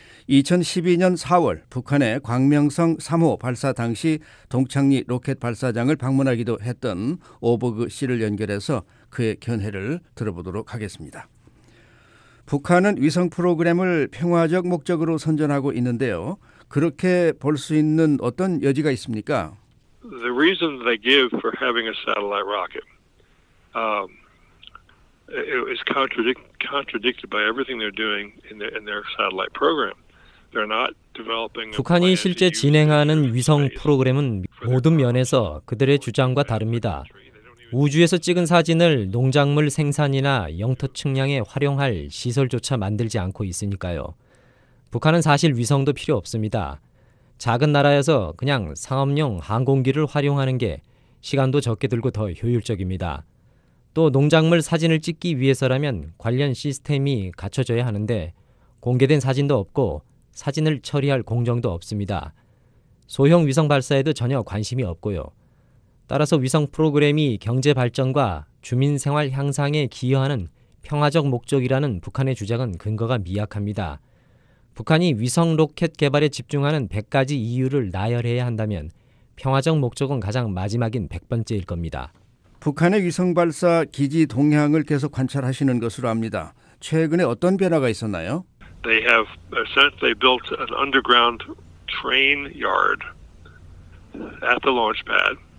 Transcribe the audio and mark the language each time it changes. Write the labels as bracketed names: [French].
[Korean] 2012년 4월 북한의 광명성 3호 발사 당시 동창리 로켓 발사장을 방문하기도 했던 오버그 씨를 연결해서 그의 견해를 들어보도록 하겠습니다. 북한은 위성 프로그램을 평화적 목적으로 선전하고 있는데요. 그렇게 볼 수 있는 어떤 여지가 있습니까? [English] The reason they give for having a satellite rocket is contradicted by everything they're doing in their satellite program. They're not developing. [Korean] 북한이 실제 진행하는 위성 프로그램은 모든 면에서 그들의 주장과 다릅니다. 우주에서 찍은 사진을 농작물 생산이나 영토 측량에 활용할 시설조차 만들지 않고 있으니까요. 북한은 사실 위성도 필요 없습니다. 작은 나라여서 그냥 상업용 항공기를 활용하는 게 시간도 적게 들고 더 효율적입니다. 또 농작물 사진을 찍기 위해서라면 관련 시스템이 갖춰져야 하는데 공개된 사진도 없고 사진을 처리할 공정도 없습니다. 소형 위성 발사에도 전혀 관심이 없고요. 따라서 위성 프로그램이 경제 발전과 주민 생활 향상에 기여하는 평화적 목적이라는 북한의 주장은 근거가 미약합니다. 북한이 위성 로켓 개발에 집중하는 100가지 이유를 나열해야 한다면 평화적 목적은 가장 마지막인 100번째일 겁니다. 북한의 위성 발사 기지 동향을 계속 관찰하시는 것으로 압니다. 최근에 어떤 변화가 있었나요? [English] They have essentially built an underground train yard at the launch pad.